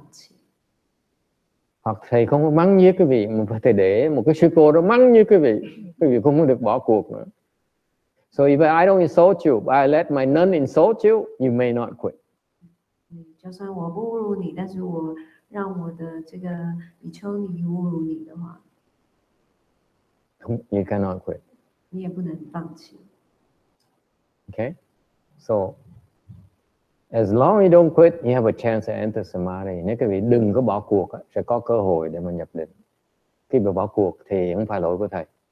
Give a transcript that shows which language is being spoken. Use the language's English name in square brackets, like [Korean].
[Chinese] 有多么困难，你就是不能放弃。 [English] Explain it, no matter how. [Chinese] 所以师父说，不管我怎么样对待你，我怎么样侮辱你，或者是让你觉得很痛苦，你都是不能放弃。 [Vietnamese] Hoặc thầy không có mắng với quý vị, mà phải để một cái sư cô đó mắng với quý vị không được bỏ cuộc nữa. [English] So if I don't insult you, but I let my nun insult you, you may not quit. [Chinese] 就算我不侮辱你，但是我让我的这个比丘尼侮辱你的话，You [English] cannot quit. [Chinese] 你也不能放弃。Okay, [English] so as long as you don't quit, you have a chance to enter samadhi. [Vietnamese] Nếu quý vị đừng có bỏ cuộc, sẽ có cơ hội để mà nhập định. Khi mà bỏ cuộc thì không phải lỗi của thầy.